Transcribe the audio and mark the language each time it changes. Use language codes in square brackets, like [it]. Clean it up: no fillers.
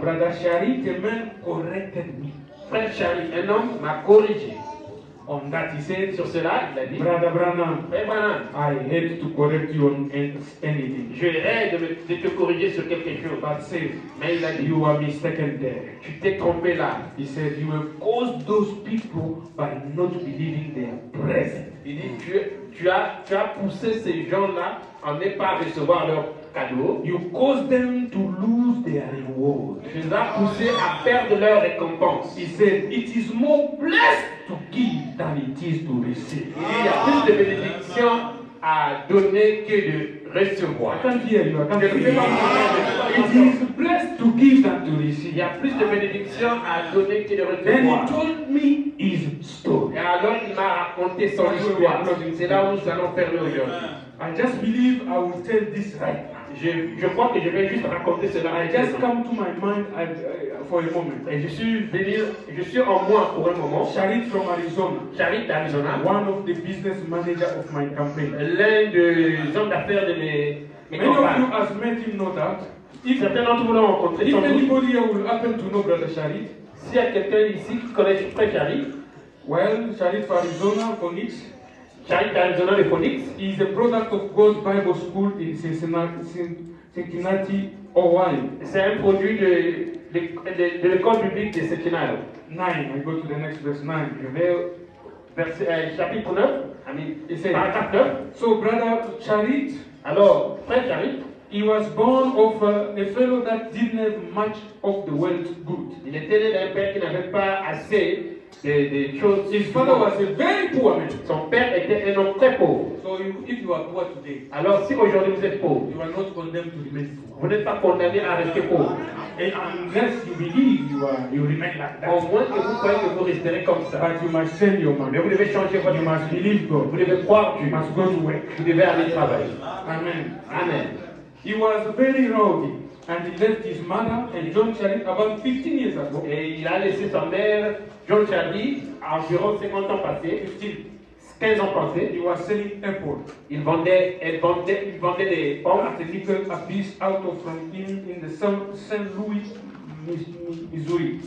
[en] Brother Chari, the man corrected me. [fr] Frère Chari, un homme m'a corrigé. [en] On that, he said, [fr] sur cela, il a dit. [en] Brother Branham, [fr] hey, Branham, [en] I hate to correct you on anything. [fr] Je hais de te corriger sur quelque chose. [en] But say, [fr] mais il a dit, [en] you are mistaken there. [fr] Tu t'es trompé là. [en] He said, you have caused those people by not believing their presence. [fr] Il dit, tu es. tu as poussé ces gens-là à ne pas recevoir leur cadeau. You caused them to lose their reward. Tu les as poussé à perdre leur récompense. [en] He said, it is more blessed to give than it is to receive. [fr] Il y a plus de bénédiction à donner que de recevoir. [en] It is blessed to give than to receive. [fr] Il y a plus de bénédiction à donner que de recevoir. [en] Then he told me his story. [fr] Et alors il m'a raconté son histoire. C'est là où nous allons faire le jeu. [en] I just believe I will tell this right. [fr] Je crois que je vais juste raconter cela. [en] I just come to my mind for a moment. [fr] Et je suis en moi pour un moment. [en] Charit from Arizona. [fr] Charit d'Arizona. [en] One of the business manager of my campaign. [fr] L'un des hommes d'affaires de mes campagnes. [en] Many of you have met him, no doubt. [fr] If certains d'entre vous l'ont rencontré. [en] If anybody will happen to know Brother Charit, [fr] s'il y a quelqu'un ici qui connaît très Charit, [en] well, Charit from Arizona, Phoenix. [fr] Charit d'Arizona de Phoenix [en] is a product of God's Bible School in Cincinnati, Ohio. [fr] C'est un produit de l'école biblique de Cincinnati. [en] 9, we go to the next verse, 9. [fr] Je vais chapitre 9, paragraphe 9. [en] So, brother Charit, [fr] alors, frère Charit, [en] he was born of a fellow that didn't have much of the world's good. [fr] Il était né d'un père qui n'avait pas assez. [en] His father was a very poor man. [fr] Son père était un homme très pauvre. [en] So if you are poor today, [fr] alors si aujourd'hui vous êtes pauvre, [en] you are not condemned to remain poor. [fr] Vous n'êtes pas condamné à rester pauvre. [en] Unless you believe you remain like that. [fr] Au moins que vous croyez que vous resterez comme ça. [en] But you must change your mind. [fr] Mais vous devez changer votre. [en] You must believe God. [fr] Vous devez croire. [en] You must go to work. [fr] Vous devez aller travailler. Amen. Amen. [en] He was very rowdy. And he left his mother and John Charit about 15 years ago. [fr] Et il a laissé sa mère, John Charit, environ 50 ans passés, 15 ans passés. [en] He was selling apples. [fr] Il vendait des pommes. [en] At the little abyss out of Franklin in the Saint-Louis, Missouri.